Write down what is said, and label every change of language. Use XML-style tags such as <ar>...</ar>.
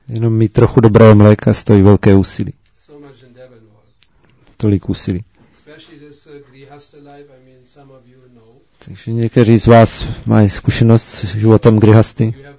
<cs>Jenom mít trochu dobrého mléka stojí velké úsilí.</cs> <en>So much endeavor involved.</en> <cs>Tolik úsilí.</cs> <en>Especially this grihastha life, I mean, some of you know.</en> <cs>Takže někteří z vás mají zkušenost s životem grihasty.</cs>